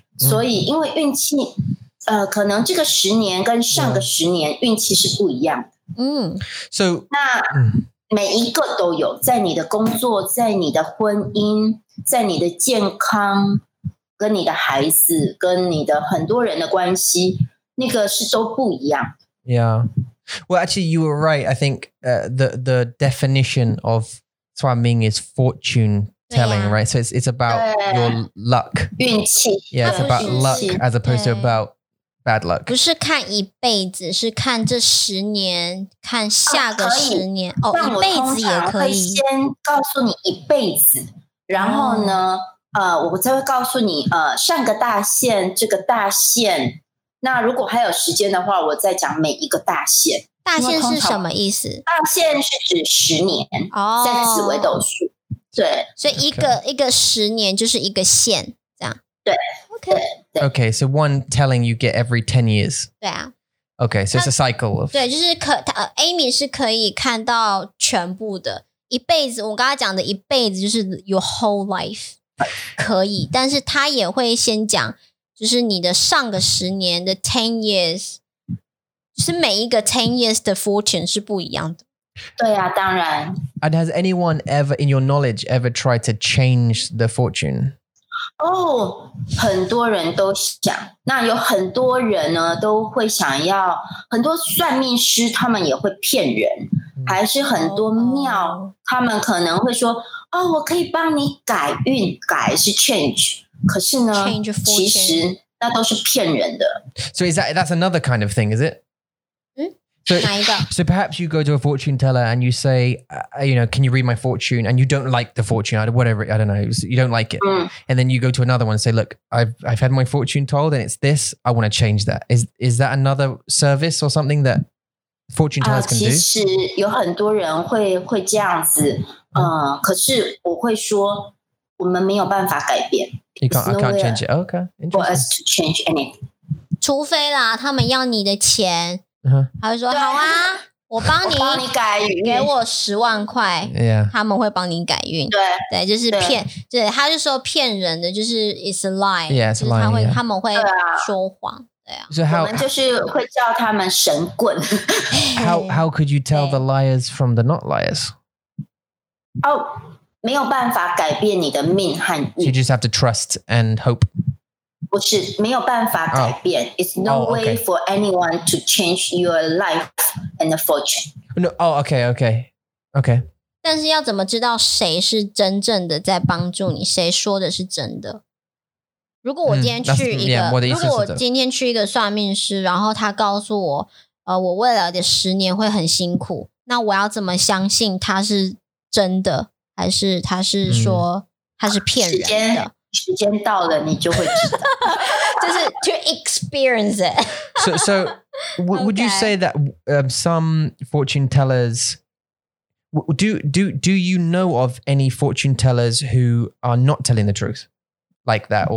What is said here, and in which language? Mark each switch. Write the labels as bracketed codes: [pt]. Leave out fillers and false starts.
[zh] 所以因为运气可能这个十年跟上个十年运气是不一样的。嗯 [en] so, [zh] 那每一个都有在你的工作在你的婚姻在你的健康跟你的孩子跟你的很多人的关系那个是都不一样 [en] 的。Yeah. Well, actually, you were right. I think the definition of Tuang Ming is fortune. Telling, right? So it's about your luck. [zh] 运气 [en] Yeah, it's about luck as opposed to about bad luck. [zh] 不是看一辈子是看这十年看下个十年哦，一辈子也可以。我先告诉你一辈子然后呢我再会告诉你上个大限这个大限那如果还有时间的话我再讲每一个大限大限是什么意思大限是指十年在紫微斗数对，所以一个、okay. 一个十年就是一个线，这样。对，OK，OK，、 [en] okay. okay, so one telling you get every 10 years。 [zh] 对啊 [en] ，OK， so it's a cycle of。 [zh] 对，就是可他 Amy 是可以看到全部的一辈子。我刚刚讲的一辈子就是 [en] your whole life。 [zh] 可以，但是他也会先讲，就是你的上个十年的 [en] ten years， [zh] 就是每一个 ten years 的 fortune 是不一样的。对啊，当然。 [en] And has anyone ever, in your knowledge, ever tried to change the fortune? [zh] Oh, 很多人都想，那有很多人呢都会想要，很多算命师他们也会骗人，还是很多庙他们可能会说，哦，我可以帮你改运，改是 change， 可是呢，其实那都是骗人的。 [en] So is that's another kind of thing, is it? So perhaps you go to a fortune teller and you say, you know, can you read my fortune? And you don't like the fortune, whatever, I don't know, you don't like it. And then you go to another one and say, look, I've had my fortune told and it's this, I want to change that. Is that another service or something that fortune tellers can do? [zh] 其实有很多人会这样子，可是我会说我们没有办法改变。 [en] I can't change it. Okay, interesting. For us to change anything. [zh] 除非啦，他们要你的钱。他会说好啊，我帮你改运，给我十万块，他们会帮你改运。对，就是骗，对，他就说骗人的，就是 [en] it's a lie， [zh] 就是他们会说谎，对啊。我们就是会叫他们神棍。 [en] How could you tell the liars from the not liars？ [zh] 哦，没有办法改变你的命和运。 [en] You just have to trust and hope. [zh] 不是没有办法改变、oh. [en] It's no、 oh, okay. way for anyone to change your life and the fortune. No. Oh, okay, okay, okay. [zh] 但是要怎么知道谁是真正的在帮助你？谁说的是真的？如果我今天去一个， [en] yeah, [zh] 如果我今天去一个算命师，然后他告诉我，我未来的十年会很辛苦，那我要怎么相信他是真的，还是他是说他是骗人的？时间到了，你就会知道，就是 [en] to experience it. So would you say that、some fortune tellers do you know of any fortune tellers who are not telling the truth like that?